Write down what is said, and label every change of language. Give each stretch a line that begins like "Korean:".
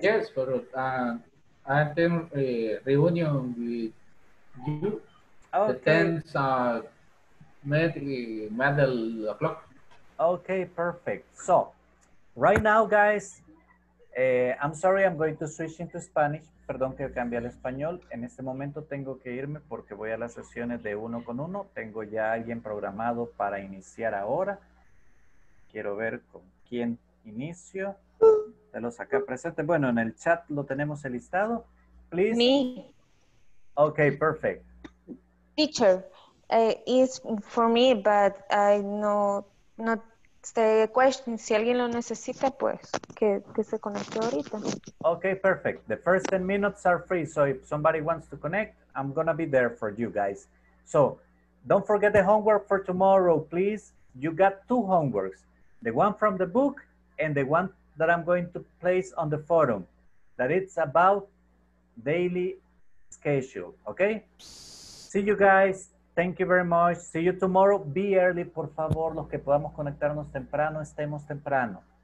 English: Yes, but I attend a reunion with you. Okay. The 10th of May, 9 o'clock. Okay, perfect. So, right now, guys, I'm sorry, I'm going to switch into Spanish.
Spanish: Perdón que cambie al español. En este momento tengo que irme porque voy a las sesiones de uno con uno. Tengo ya alguien programado para iniciar ahora. Quiero ver con quién inicio. De los acá presentes. Bueno, en el chat lo tenemos el listado.
English: Please. Me. Okay, perfect. Teacher, it's for me, but I not the question.
Spanish: Si alguien lo necesita, pues, que se conecte ahorita.
English: Okay, perfect. The first 10 minutes are free, so if somebody wants to connect, I'm gonna be there for you guys. So, don't forget the homework for tomorrow, please. You got 2 homeworks. The one from the book and the one that I'm going to place on the forum, that it's about daily schedule, okay? See you guys. Thank you very much. See you tomorrow. Be early,
Spanish: por favor, los que podamos conectarnos temprano, estemos temprano.